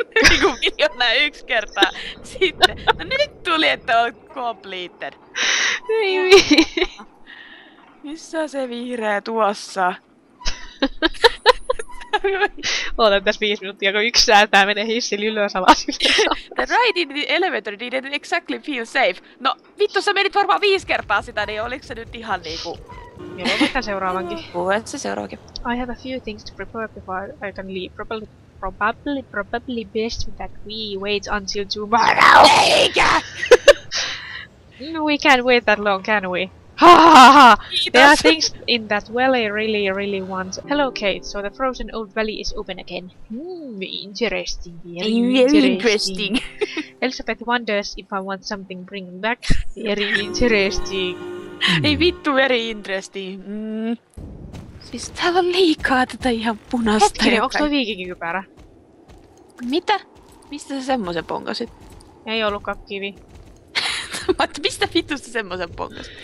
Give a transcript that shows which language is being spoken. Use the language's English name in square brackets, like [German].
[Finnish] Niinku miljoona yksi kertaa! Sitten! No nyt tuli, että on completed! Ei vii! Missä on se vihreä tuossa? Ootan tässä 5 minuuttia, kun yksi säätää menee hissillä ylös alas. [English] The ride in the elevator didn't exactly feel safe. [Finnish] No, vittu, sä menit varmaan 5 kertaa sitä, niin oliks se nyt ihan niinku... Joo, vaikka seuraavankin. Puhuet se seuraavankin. [English] I have a few things to prepare before I can leave. Probably best that we wait until tomorrow. [Finnish] Eikä! [English] We can't wait that long, can we? Hahaha! There are things in that well I really, really want. Hello, Kate. So the frozen old valley is open again. Interesting. Very interesting. Elizabeth wonders if I want something bring back. Very interesting. [Finnish] Ei vittu, [English] very interesting. [Finnish] Siis täällä on liikaa tätä ihan punaista. Hetkinen, onks toi viikinkikypärä? Mitä? Mistä sä semmosen pongasit? Ei ollutkaan kivi. Mistä vitusta semmosen pongas?